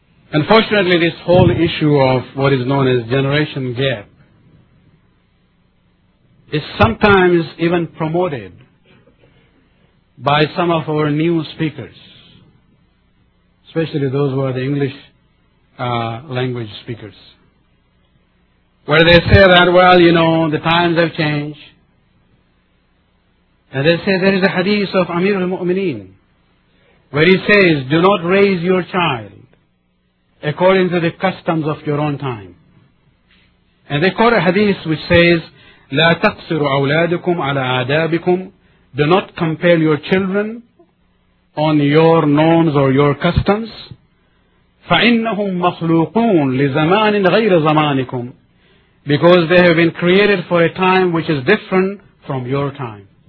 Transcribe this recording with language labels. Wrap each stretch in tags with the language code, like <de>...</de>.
<en>Unfortunately, this whole issue of what is known as generation gap is sometimes even promoted by some of our new speakers, especially those who are the English language speakers, where they say that, well, you know, the times have changed. And they say there is a hadith of Amir al-Mu'mineen where he says, do not raise your child according to the customs of your own time. And they quote a hadith which says,</en> <ar>لا تقصروا أولادكم على آدابكم.</ar> <en>Do not compel your children on your norms or your customs.</en> <ar>فَإِنَّهُمْ مَخْلُوقُونَ لِزَمَانٍ غَيْرَ زَمَانِكُمْ.</ar> <en>Because they have been created for a time which is different from your time.</en>